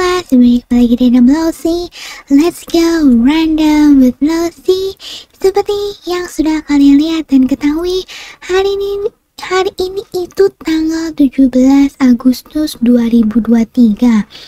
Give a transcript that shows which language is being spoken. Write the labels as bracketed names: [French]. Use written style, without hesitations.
[Indonesian] Semuanya lagi dengan Lossy. [English] Let's go random with Lossy. [Indonesian] Seperti yang sudah kalian lihat dan ketahui, hari ini itu tanggal 17 Agustus 2023.